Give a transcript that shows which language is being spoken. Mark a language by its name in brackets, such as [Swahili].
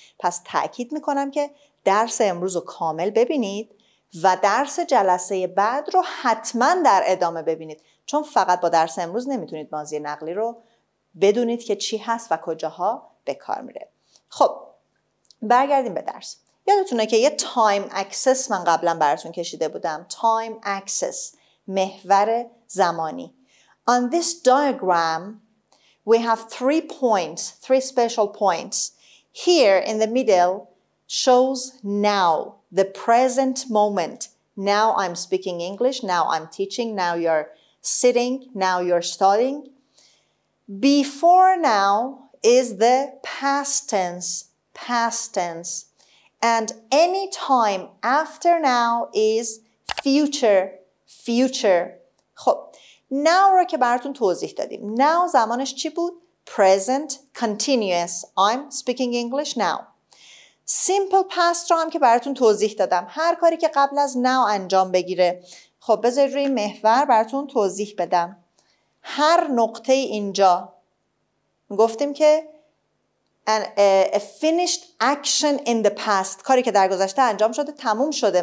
[Persian] پس تأکید میکنم که درس امروز رو کامل ببینید و درس جلسه بعد رو حتما در ادامه ببینید، چون فقط با درس امروز نمیتونید ماضی نقلی رو بدونید که چی هست و کجاها به کار میره. خب برگردیم به درس. یادتونه که یه تایم اکسس من قبلا براتون کشیده بودم. تایم اکسس، محور زمانی. [English] On this diagram we have three points, three special points. Here in the middle shows now, the present moment. Now I'm speaking English, now I'm teaching, now you're sitting, now you're studying. Before now is the past tense, past tense. And any time after now is future, future. [Persian] خب now رو که براتون توضیح دادیم. Now زمانش چی بود؟ Present, continuous. [English] I'm speaking English now. [Persian] Simple past رو هم که براتون توضیح دادم. هر کاری که قبل از now انجام بگیره. خب بذارید روی محور براتون توضیح بدم. هر نقطه اینجا گفتیم که [English] a finished action in the past، [Persian] کاری که در گذشته انجام شده تموم شده.